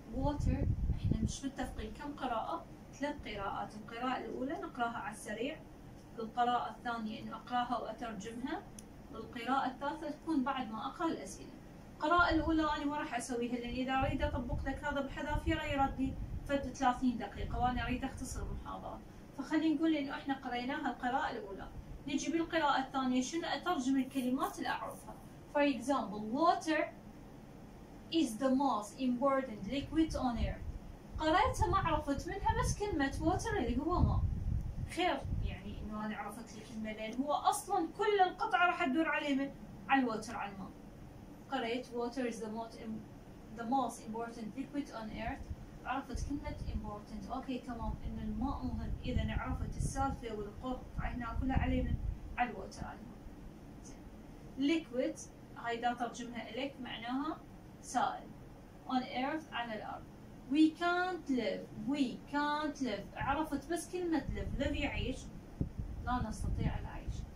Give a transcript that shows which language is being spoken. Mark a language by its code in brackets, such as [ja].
[ar] واتر احنا مش متفقين كم قراءة، 3 قراءات، القراءة الأولى نقراها على السريع، القراءة الثانية إن أقراها وأترجمها، والقراءة الثالثة تكون بعد ما أقرأ الأسئلة. القراءة الأولى أنا ما راح أسويها، لأن إذا أريد أطبق لك هذا بحذافيره غير يردي فد 30 دقيقة، وأنا أريد أختصر المحاضرة. فخلينا نقول إن احنا قريناها القراءة الأولى، نجي بالقراءة الثانية شنو أترجم الكلمات اللي أعرفها. [en] For example, water is the most important liquid on earth. [ar] قرأتها ما عرفت منها بس كلمة water اللي هو ماء. خير يعني إنه أنا عرفت الكلمة، لأن هو أصلاً كل القطعة راح تدور عليه من على water، على الماء. قرأت [en] water is the most important liquid on earth. [ar] عرفت كلمة important، أوكي تمام، إن الماء مهم. إذا عرفت السالفة والقرط عهنا كلها علينا على الوتر المهم. liquid هاي دا ترجمها إليك معناها سائل. [en] on earth [ar] على الأرض. [en] we can't live، we can't live، [ar] عرفت بس كلمة [en] live، live [ar] يعيش، لا نستطيع العيش.